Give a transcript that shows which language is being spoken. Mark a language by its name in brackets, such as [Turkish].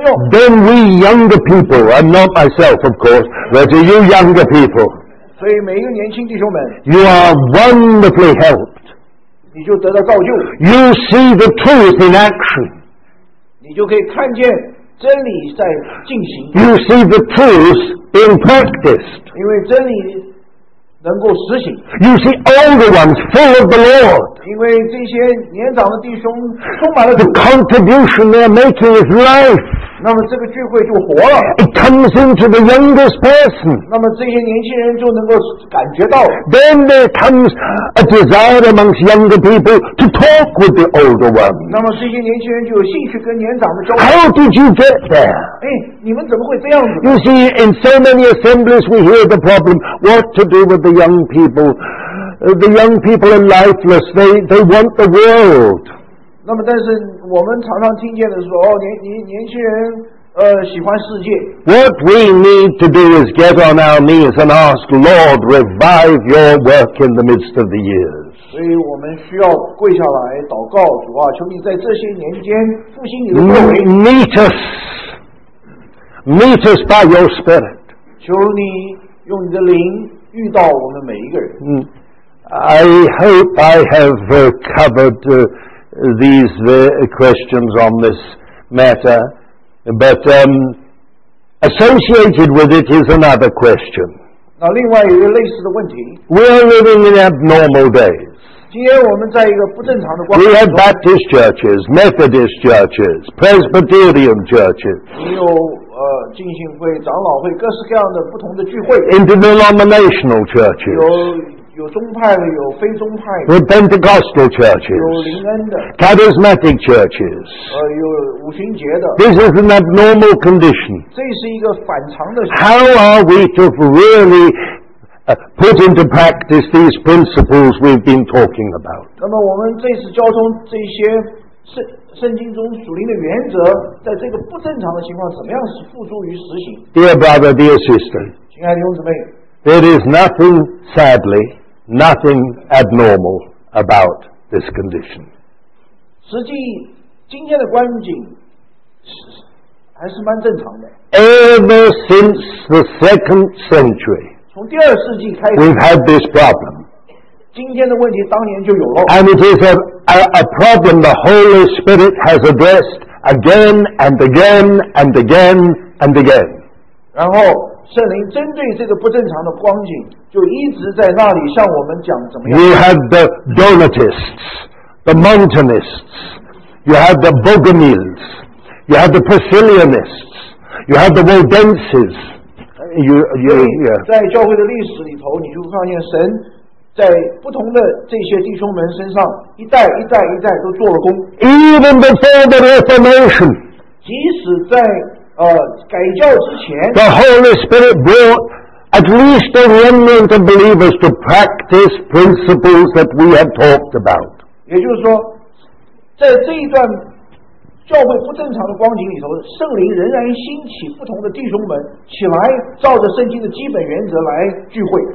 [English] Then we younger people, and not myself of course, but you younger people, [Chinese] 所以每一个年轻弟兄们 [English] You are wonderfully helped [Chinese] 你就得到造就 [English] You see the truth in action [Chinese] 你就可以看见真理在进行 [English] You see the truth being practiced [Chinese] 因为真理能够实行 [English] You see older ones full of the Lord [Chinese] 因为这些年长的弟兄充满了 [English] The contribution they are making is life [Chinese] 那么这个聚会就活了 [English] It comes into the youngest person [Chinese] 那么这些年轻人就能够感觉到 [English] Then there comes a desire amongst younger people to talk with the older ones [Chinese] 那么这些年轻人就有兴趣跟年长的交流 [English] How did you get there? [Chinese] 你们怎么会这样子 [English] You see, in so many assemblies we hear the problem What to do with the young people? The young people are lifeless, they want the world [Chinese] 那么但是我们常常听见的是说、哦、年轻人喜欢世界 [English] What we need to do is get on our knees and ask Lord revive your work in the midst of the years [Chinese] 所以我们需要跪下来祷告主啊求你在这些年间复兴你的作为 [English] Meet us by your spirit [Chinese] 求你用你的灵遇到我们每一个人、 [English] I hope I have covered these questions on this matter but associated with it is another question [Chinese] 那另外一个类似的问题 [English] we are living in abnormal days [Chinese] 今天我们在一个不正常的光景 [English] we have Baptist churches Methodist churches Presbyterian churches [Chinese] 也有浸信会长老会各式各样的不同的聚会 [English] interdenominational churches [Chinese] 有宗派的，有非宗派的。有 [English] Pentecostal churches， [Chinese] 有灵恩的。 [English] Charismatic churches， [Chinese] 有五旬节的。 [English] This is an abnormal condition。 [Chinese] 这是一个反常的。 [English] How are we to really put into practice these principles we've been talking about？ [Chinese] 那么我们这次交通这些圣经中属灵的原则，在这个不正常的情况，怎么样是付诸于实行 [English] ？Dear brother, dear sister， [Chinese] 亲爱的弟兄姊妹。 [English] There is nothing, sadly, nothing abnormal about this condition. [Chinese] 实际今天的光景还是蛮正常的。 [English] Ever since the second century, [Chinese] 从第二世纪开始 [English] we've had this problem. [Chinese] 今天的问题当年就有了。 [English] And it is a problem the Holy Spirit has addressed again and again and again and again. [Chinese] 然后圣灵针对这个不正常的光景就一直在那里向我们讲怎么样 [English] You had the Donatists The Montanists You had the Bogomils You had the Priscillianists You had the Waldenses you [Chinese] 在教会的历史里头你就发现神在不同的这些弟兄们身上一代一代一代都做了工 [English] Even before the Reformation [Chinese] 即使在改教之前 [English] The Holy Spirit brought at least a remnant of believers to practice principles that we have talked about. [Chinese] 也就是说，在这一段教会不正常的光景里头，圣灵仍然兴起不同的弟兄们起来，照着圣经的基本原则来聚会。